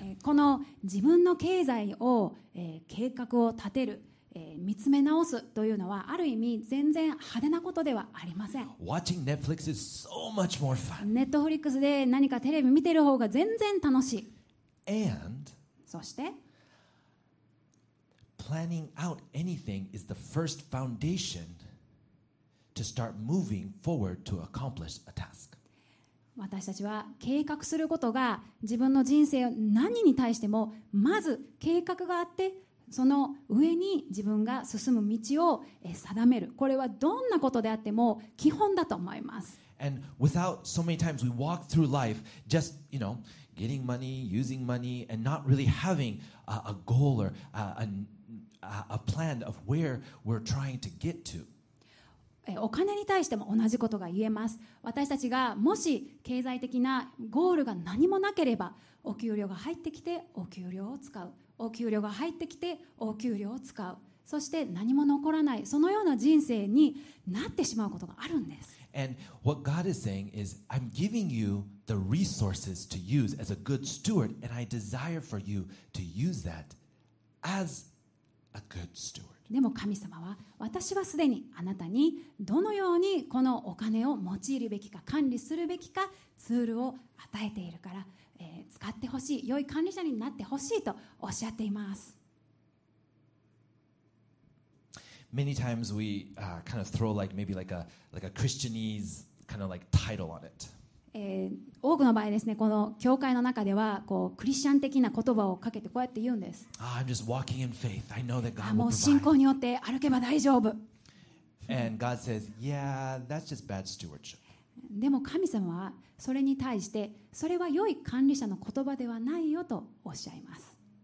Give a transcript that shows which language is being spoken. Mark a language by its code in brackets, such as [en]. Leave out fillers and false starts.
[ja] この自分の経済を、計画を立てる、見つめ直すというのはある意味全然派手なことではありません。 [en] Watching Netflix is so much more fun. [ja] Netflix で何かテレビ見てる方が全然楽しい。 [en] And [ja] そして [en] planning out anything is the first foundation to start moving forward to accomplish a task. [ja] 私たちは計画することが自分の人生を何に対してもまず計画があって、その上に自分が進む道を定める、これはどんなことであっても基本だと思います。 [en] And without so many times we walk through life just, you know, getting money, using money and not really having a goal or a plan of where we're trying to get to。 [ja] お金に対しても同じことが言えます。私たちがもし経済的なゴールが何もなければ、お給料が入ってきてお給料を使う、お給料が入ってきてお給料を使う、そして何も残らない、そのような人生になってしまうことがあるんです。 [en] And what God is saying is I'm giving you the resources to use as a good steward, and I desire for you to use that as a good steward. [ja] でも神様は、私はすでにあなたにどのようにこのお金を用いるべきか、管理するべきか、ツールを与えているから、使ってほしい、良い管理者になってほしいとおっしゃっています。 [en] Many times we kind of throw like maybe like a Christianese kind of like title on it. [ja] 多くの場合ですね、この教会の中ではこうクリスチャン的な言葉をかけてこうやって言うんです。 [en] I'm just walking in faith. I know that God will provide. [ja] もう信仰によって歩けば大丈夫。 [en] And God says, yeah, that's just bad stewardship. [ja] でも神様はそれに対して、それは良い管理者の言葉ではないよとおっしゃいます。